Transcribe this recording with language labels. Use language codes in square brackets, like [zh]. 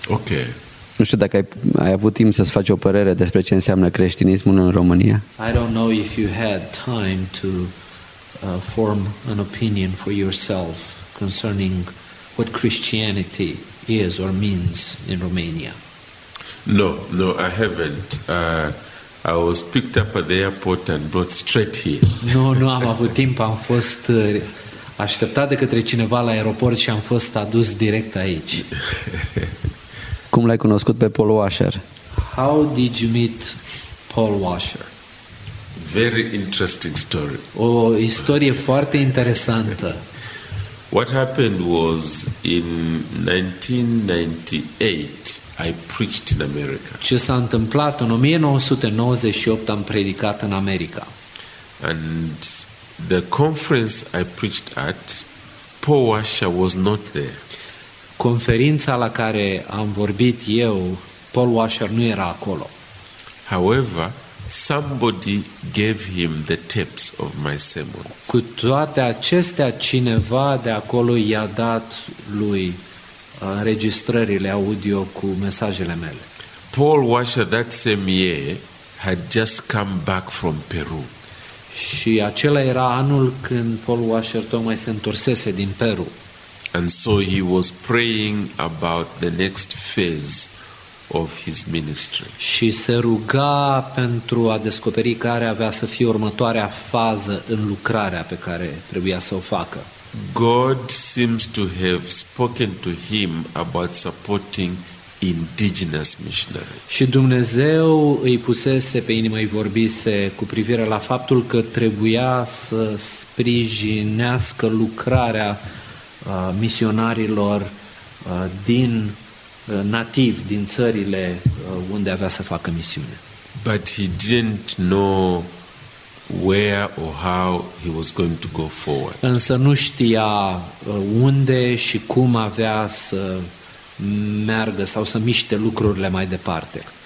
[en] Okay. [ro] Nu știu dacă ai avut timp să-ți faci o părere despre ce înseamnă creștinismul în România. [en] I don't know if you had time to form an opinion for yourself concerning what Christianity is or means in Romania. No, I haven't. I was picked up at the airport and brought straight here. [ro] Nu am avut timp, am fost așteptat de către cineva la aeroport și am fost adus direct aici. Cum l-ai cunoscut pe Paul Washer? [en] How did you meet Paul Washer? Very interesting story. [ro] O istorie foarte interesantă. [en] What happened was in 1998 I preached in America. [ro] Ce s-a întâmplat în 1998 am predicat în America. [en] And the conference I preached at, Paul Washer was not there. [ro] Conferința la care am vorbit eu, Paul Washer nu era acolo. [en] However, somebody gave him the tapes of my sermons. [ro] Cu toate acestea, cineva de acolo i-a dat lui înregistrările audio cu mesajele mele. [en] Paul Washer that same year had just come back from Peru. [ro] Și acela era anul când Paul Washer tocmai se întorsese din Peru. [en] And so he was praying about the next phase of his ministry. [ro] Și se ruga pentru a descoperi care avea să fie următoarea fază în lucrarea pe care trebuia să o facă. [en] God seems to have spoken to him about supporting indigenous missionaries. [ro] Și Dumnezeu îi pusese pe inimă, îi vorbise cu privire la faptul că trebuia să sprijinească lucrarea misionarilor din nativ din țările unde avea să facă misiune. [en] But he didn't know where or how he was going to go forward. [ro] Însă nu știa unde și cum avea să meargă sau să miște lucrurile mai departe.